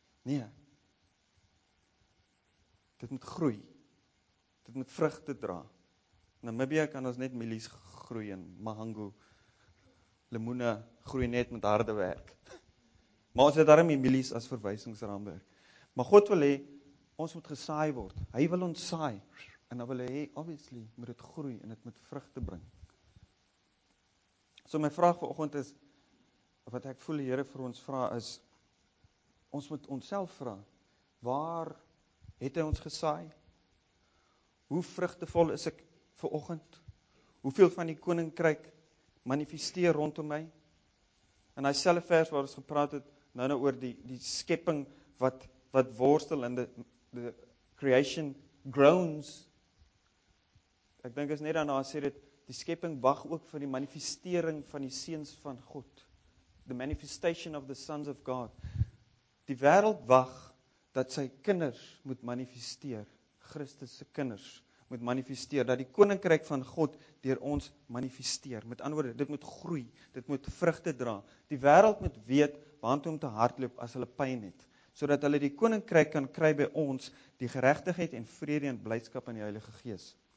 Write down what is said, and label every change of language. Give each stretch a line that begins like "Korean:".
Afrikaans: Nee, dit moet groei, dit moet vrugte dra. Namibia kan ons net mielies groei en mahangu, limoene groei net met harde werk. Maar ons het daarom die milies as verwysingsraamwerk. Maar God wil hê, ons moet gesaai word. Hy wil ons saai. En dan wil hy, obviously, moet het groei en het moet vrugte bring. So my vraag vir oggend is, wat ek voel die Here vir ons vra is, ons moet onsself vra, waar het hy ons gesaai? Hoe vrugtevol is ek vir oggend? Hoeveel van die koninkryk manifesteer rondom my? En hy selfe vers waar ons gepraat het, nou oor die skepping wat worstel in
English: the creation groans.
Afrikaans: Ek dink is net daarna sê dit, die skepping wag ook vir die manifestering van die seuns van God.
English: The manifestation of the sons of God.
Afrikaans: Die wêreld wag dat sy kinders moet manifesteer. Christus se kinders moet manifesteer, dat die koninkryk van God deur ons manifesteer. Met ander woorde, dit moet groei, dit moet vrugte dra. Die wêreld moet weet want om te hardloop as hulle pyn het, sodat hulle die koninkryk kan kry by ons, die geregtigheid en vrede en blydskap in die Heilige Gees.